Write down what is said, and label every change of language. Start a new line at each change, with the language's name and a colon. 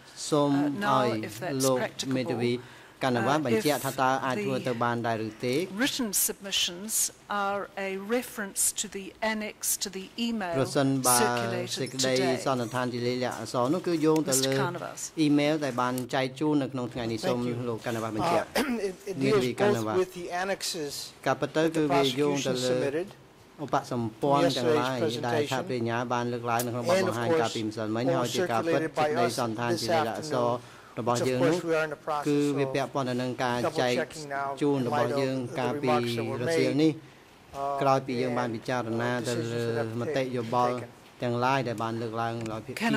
Khmer: សូមឲ្យលោកមេធាវីកាណាវ៉ាបញ្ជាក់ថាតើអាចធ្វើទៅបានដែរឬទេ
English: written submissions are a reference to the annex to the email
Khmer: ប្រសិនបើសេចក្តីសន្និដ្ឋានជាលេខអក្សរនោះគឺយោងទៅលើ email ដែលបានចែកជូននៅក្នុងថ្ងៃនេះសូមលោកកាណាវ៉ាបញ្ជាក់នេះវិកាណាវ៉ា កាប់ទៅគឺវាយោងទៅលើឧបសម្ព័ន្ធទាំងឡាយដែលថាបញ្ញាបានលើកឡើងនៅក្នុងបទបង្ហាញការពីម្សិលមិញហើយជាការពិតសេចក្តីសន្និដ្ឋានជាលេខអក្សររបស់យើងនោះគឺវាពាក់ព័ន្ធទៅនឹងការចែកជូនរបស់យើងការពីរសៀលនេះក្រោយពីយើងបានពិចារណាទៅលើមតិយោបល់ទាំងឡាយដែលបានលើកឡើងដោយភាគ